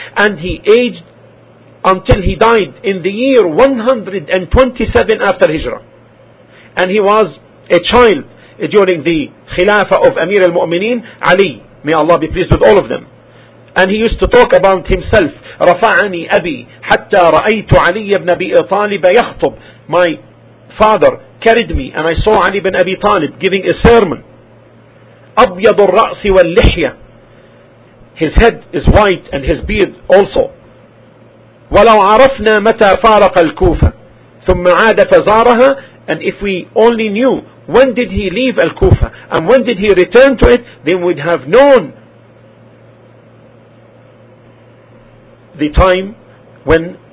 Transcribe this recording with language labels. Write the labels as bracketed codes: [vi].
[en] And he aged until he died in the year 127 after Hijrah. And he was a child during the Khilafah of Amir al-Mu'mineen Ali. May Allah be pleased with all of them. And he used to talk about himself. [ar] رفعني أبي حتى رأيت علي بن أبي طالب يخطب. [en] My father carried me and I saw Ali bin Abi Talib giving a sermon. [ar] أبيض الرأس واللحية. [en] His head is white and his beard also. [ar] ولو عرفنا متى فارق الكوفة ثم عاد فزارها. [en] And if we only knew when did he leave Al-Kufa and when did he return to it, then we'd have known the time when